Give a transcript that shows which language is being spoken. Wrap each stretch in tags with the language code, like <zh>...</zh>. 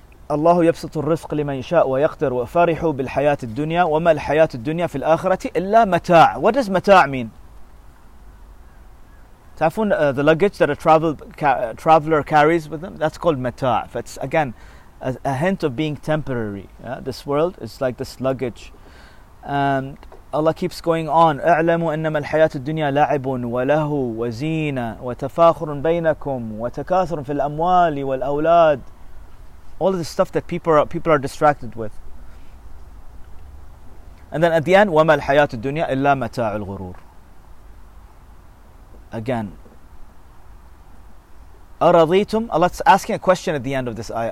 <ar>الله يبسط الرزق لمن يشاء ويقدر وفرحوا بالحياة الدنيا وما الحياة الدنيا في الآخرة إلا متاع.</ar> <en>What does متاع mean?</en> <ar>تعرفون</ar> <en>the luggage that a traveler carries with them, that's called متاع. That's again a hint of being temporary. Yeah? This world is like this luggage. And Allah keeps going on.</en> <ar>اعلموا انما الحياة الدنيا لعب وله وزينة وتفاخر بينكم وتكاثر في الأموال والأولاد.</ar> <en>All of the stuff that people are distracted with.</en> <ar>And then at the end, وَمَا الْحَيَاةُ الدُّنْيَا إِلَّا مَتَاعُ الْغُرُورِ.</ar> <en>Again.</en> <ar>أَرَضِيتُمْ.</ar> <en>Allah's asking a question at the end of this ayah.</en>